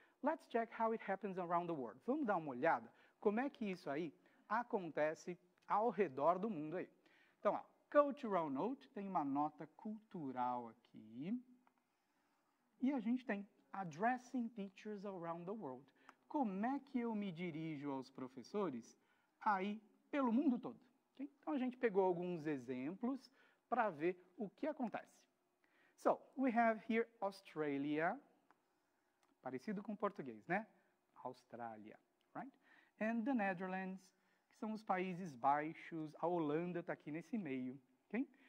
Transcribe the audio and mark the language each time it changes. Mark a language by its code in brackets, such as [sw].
[en] Let's check how it happens around the world. [pt] Vamos dar uma olhada como é que isso aí acontece ao redor do mundo aí. Então, ó, [en] cultural note, [pt] tem uma nota cultural aqui. E a gente tem [en] addressing teachers around the world. [pt] Como é que eu me dirijo aos professores aí pelo mundo todo? Então, a gente pegou alguns exemplos para ver o que acontece. [en] So, we have here Australia, [pt] parecido com português, né? Austrália, right? [en] And the Netherlands, [pt] que são os Países Baixos, a Holanda está aqui nesse meio, ok?